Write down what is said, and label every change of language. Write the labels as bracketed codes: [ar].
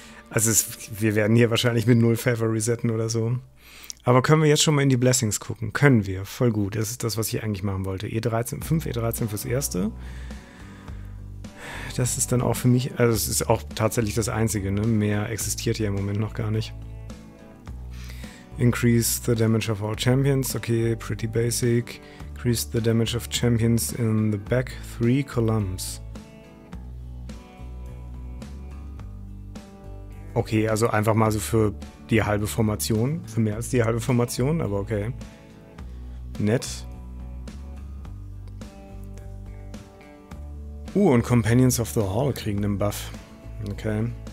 [de] Also wir werden hier wahrscheinlich mit 0 Favor resetten oder so. Aber können wir jetzt schon mal in die Blessings gucken? Können wir. Voll gut. Das ist das, was ich eigentlich machen wollte. E13, 5 E13 fürs Erste. Das ist dann auch für mich, also es ist auch tatsächlich das Einzige, ne? Mehr existiert hier im Moment noch gar nicht. [en] Increase the damage of all champions. Okay, pretty basic. Increase the damage of champions in the back 3 columns. [de] Okay, also einfach mal so für die halbe Formation. Für mehr als die halbe Formation, aber okay. Nett. Und Companions of the Hall kriegen einen Buff. Okay.